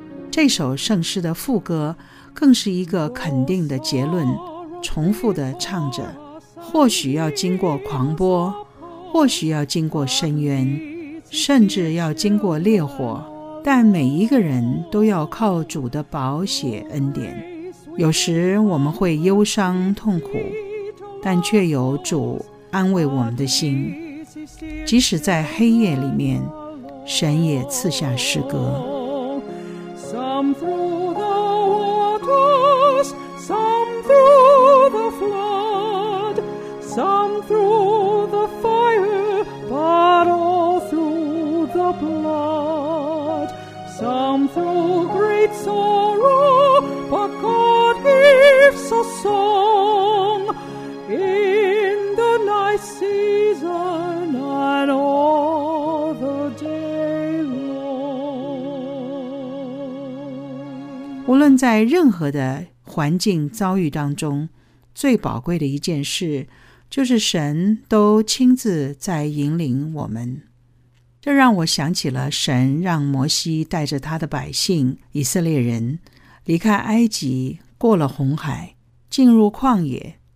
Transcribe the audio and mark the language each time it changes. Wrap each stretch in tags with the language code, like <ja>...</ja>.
<zh>这首圣诗的副歌更是一个肯定的结论，重复地唱着，或许要经过狂波，或许要经过深渊，甚至要经过烈火，但每一个人都要靠主的宝血恩典。有时我们会忧伤痛苦，但却有主安慰我们的心，即使在黑夜里面，神也赐下诗歌。</zh> <en>Some through the waters, some through the flood, some through the fire, but all through the blood. Some through great sorrow, but God gives a song in the night season and all the day long.</en> <zh>无论在任何的环境遭遇当中，最宝贵的一件事就是神都亲自在引领我们。这让我想起了神让摩西带着他的百姓以色列人离开埃及，过了红海，进入旷野。</zh>